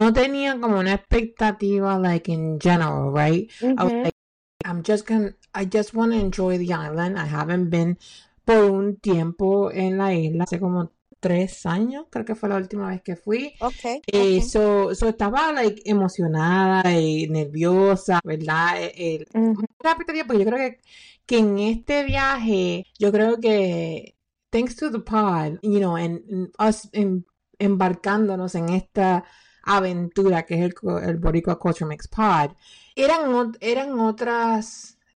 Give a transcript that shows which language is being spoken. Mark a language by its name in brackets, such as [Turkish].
[Spanish] No tenía como una expectativa [English] like in general, right? Mm-hmm. I was like, I just want to enjoy the island. I haven't been [Spanish] por un tiempo en la isla. Hace como 3 años, creo que fue la última vez que fui. [English] Okay. [Spanish] So estaba like emocionada y nerviosa, ¿verdad? Mm-hmm. Porque yo creo que en este viaje, yo creo que [English] thanks to the pod, you know, and us [Spanish] embarcándonos en esta aventura que es el Boricua Culture Mix Pod, eran otras.